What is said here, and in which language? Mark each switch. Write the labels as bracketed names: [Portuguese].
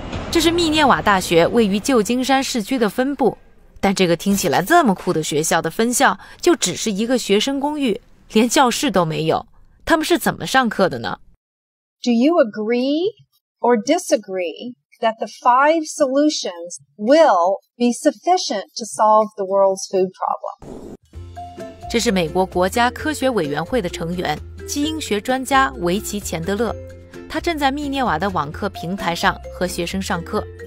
[Chinese] 这是密涅瓦大学位于旧金山市区的分部，但这个听起来这么酷的学校的分校就只是一个学生公寓，连教室都没有。他们是怎么上课的呢？ [English] Do you agree or disagree that the five solutions will be sufficient to solve the world's food problem? [Chinese] 这是美国国家科学委员会的成员，基因学专家维奇·钱德勒。他正在密涅瓦的网课平台上和学生上课。